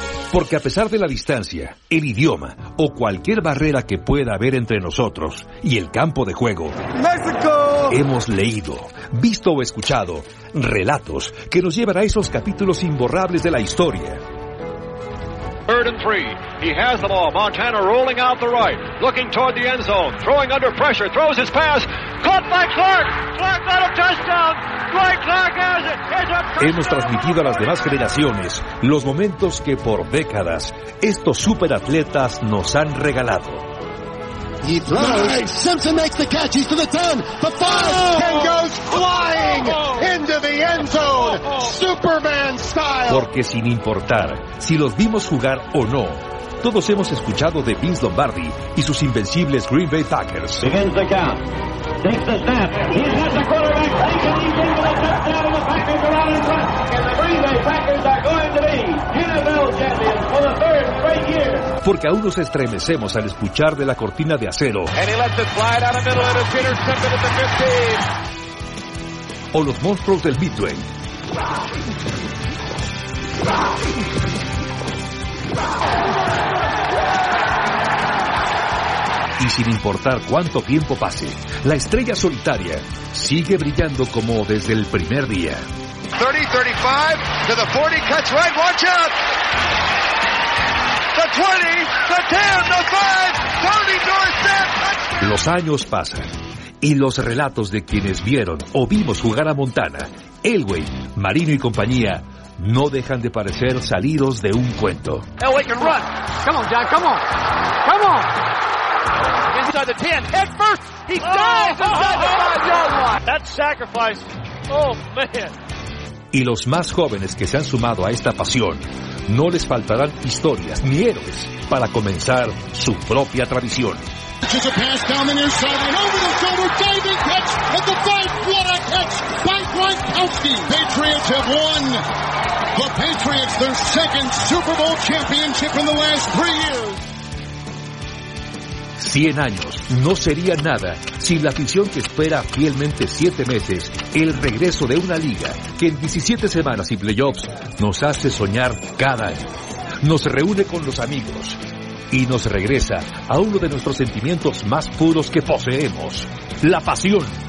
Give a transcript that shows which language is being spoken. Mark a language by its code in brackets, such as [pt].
[es] Porque a pesar de la distancia, el idioma o cualquier barrera que pueda haber entre nosotros y el campo de juego, ¡México! Hemos leído, visto o escuchado relatos que nos llevan a esos capítulos imborrables de la historia. [en] Third and three. He has the ball. Montana rolling out the right, looking toward the end zone, throwing under pressure, throws his pass, caught by Clark. Clark got a touchdown. Dwight Clark has it. It's a touchdown. [es] Hemos transmitido a las demás generaciones los momentos que por décadas estos superatletas nos han regalado. [en] He throws. Nice. Simpson makes the catch. He's to the 10, the 5, and goes flying into the end zone, Superman style. [es] Porque sin importar si los vimos jugar o no, todos hemos escuchado de Vince Lombardi y sus invencibles Green Bay Packers. [en] Begins the count. Takes the snap. He's got the quarterback. Takes it. He's able to touch down and the Packers are out in front. And the Green Bay Packers are going to be NFL champions for the third straight year. [es] Porque aún nos estremecemos al escuchar de la cortina de acero. [en] And he lets it fly down the middle and it's intercepted at the 15. [es] O los monstruos del Midway. Y sin importar cuánto tiempo pase, la estrella solitaria sigue brillando como desde el primer día. [en] 30, 35, to the 40, cuts right, watch out. The 20, the 10, the 5, Tony Dorsett. [es] Los años pasan y los relatos de quienes vieron o vimos jugar a Montana, Elway, Marino y compañía, no dejan de parecer salidos de un cuento. [en] Elway can run. Come on, John, come on. Come on. Inside the 10. Head first. He dives inside the 5-yard line. That's sacrifice. Oh, man. [es] Y los más jóvenes que se han sumado a esta pasión, no les faltarán historias ni héroes para comenzar su propia tradición. [en] It's a pass down the near side and over the shoulder. Diving catch at the 5. What a catch by Gronkowski. Patriots have won. The Patriots, their second Super Bowl championship in the last 3 years. [es] 100 años no sería nada sin la afición que espera fielmente 7 meses el regreso de una liga que en 17 semanas y playoffs nos hace soñar cada año. Nos reúne con los amigos y nos regresa a uno de nuestros sentimientos más puros que poseemos, la pasión.